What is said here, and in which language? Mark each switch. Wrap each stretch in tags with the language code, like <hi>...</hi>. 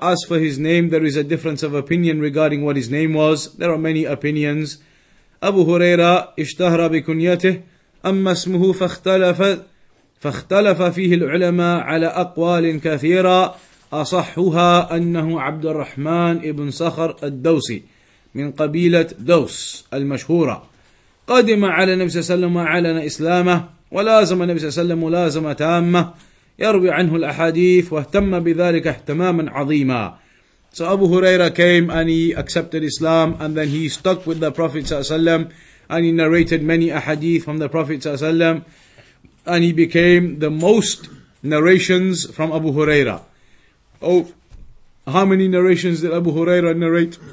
<en>As for his name, there is a difference of opinion regarding what his name was. There are many opinions.</en> <ar>Abu Huraira اشتهر بكنيته أما اسمه فاختلف فيه العلماء على أقوال كثيرة أصحها أنه عبد الرحمن ابن صخر الدوسي من قبيلة دوس المشهورة قدم على نبي صلى الله عليه وسلم وأعلن إسلامه ولازم نبي صلى الله عليه وسلم ملازمة تامة يروي عنه الأحاديث واهتم بذلك اهتماما عظيما.</ar> <en>So Abu Huraira came and he accepted Islam and then he stuck with the Prophet صلى الله عليه وسلم and he narrated many ahadith from the Prophet صلى الله عليه وسلم and he became the most narrations from Abu Huraira. Oh, how many narrations did Abu Huraira narrate?</en>